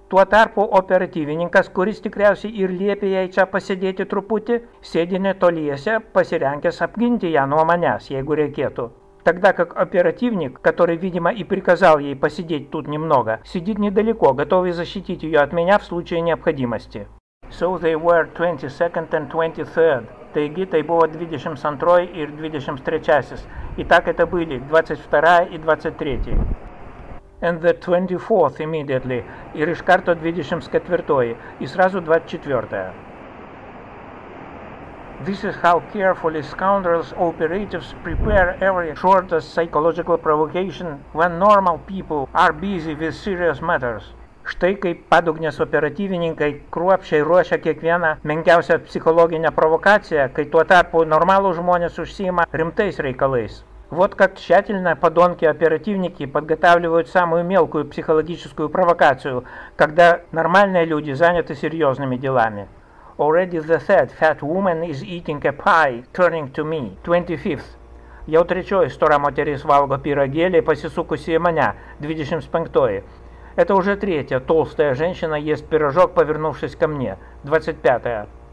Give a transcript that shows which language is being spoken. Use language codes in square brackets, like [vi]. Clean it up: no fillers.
[lt] Tuo tarpu operatyvininkas, kuris tikriausiai ir liepė jai čia pasėdėti truputį, sėdi netoliese, pasirengęs apginti ją nuo manęs, jeigu reikėtų. [ru] Тогда как оперативник, который, видимо, и приказал ей посидеть тут немного, сидит недалеко, готовый защитить ее от меня в случае необходимости. [en] So they were 22nd and 23rd. [lt] Taigi, tai buvo 22 ir 23. [ru] И так это были 22 и 23. [en] And the 24th immediately. [lt] Ir iš karto 24. [ru] И сразу 24. [en] This is how carefully scoundrels operatives prepare every shortest psychological provocation when normal people are busy with serious matters. [lt] Štai kaip padugnės operatyvininkai kruopščiai ruošia kiekvieną menkiausią psichologinę provokaciją, kai tuo tarpu normalūs žmonės užsiima rimtais reikalais. [ru] Вот как тщательно подонки оперативники подготавливают самую мелкую психологическую провокацию, когда нормальные люди заняты серьезными делами. [en] Already the third fat woman is eating a pie, turning to me. 25th. [lt] Jau trečioji stora moteris valgo pyragėlį, pasisukusi į mane. 25. [ru] Это уже третья толстая женщина ест пирожок, повернувшись ко мне. 25.